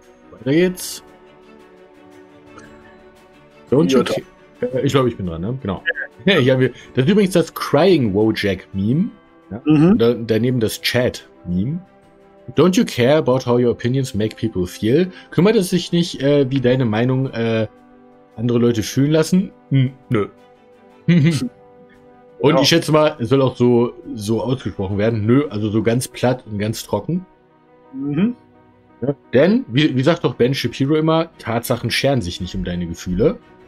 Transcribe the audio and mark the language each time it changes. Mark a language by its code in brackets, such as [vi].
[de] Weiter geht's. Ich glaube, ich bin dran, ne? Genau. Ja, das ist übrigens das Crying Wojak-Meme. Ja? Mhm. Und daneben das Chat-Meme. [en] Don't you care about how your opinions make people feel? [de] Kümmert es sich nicht, wie deine Meinung andere Leute fühlen lassen? Nö. Und ja. Ich schätze mal, es soll auch so ausgesprochen werden. Nö, also so ganz platt und ganz trocken. Mhm. Ja. Denn, wie sagt doch Ben Shapiro immer, Tatsachen scheren sich nicht um deine Gefühle.